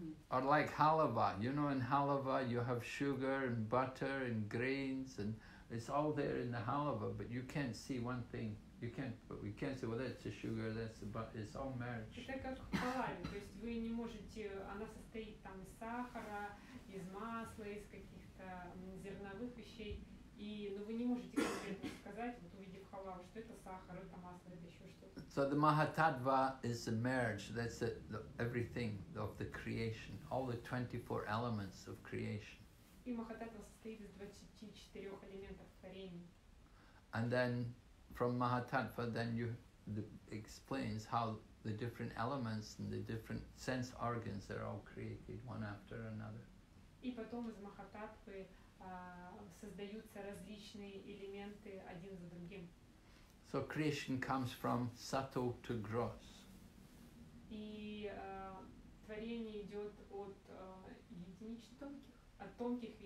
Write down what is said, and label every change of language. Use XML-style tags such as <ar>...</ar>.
<en>Or like halva. You know, in halva, you have sugar and butter and grains and it's all there in the halva, but you can't see one thing. You can't say, well, that's the sugar, that's the butter. It's all merged.</en> <ru>Это как халаве, то есть вы не можете. Она состоит там из сахара, из масла, из каких-то зерновых вещей. И, но вы не можете конкретно сказать, вот увидев халаву, что это сахар, это масло, это еще что-то.</ru> <en>So the Mahatattva is the merge. That's the everything of the creation, all the 24 elements of creation.</en> <ru>И Махататтва состоит из 24 элементов творения.</ru> <en>And then from Mahatattva, then you explains how the different elements and the different sense organs are all created one after another.</en> <ru>И потом из Махататтвы создаются различные элементы один за другим.</ru> <en>So creation comes from subtle to gross.</en> <ru>И творение идет от единичных тонких.</ru>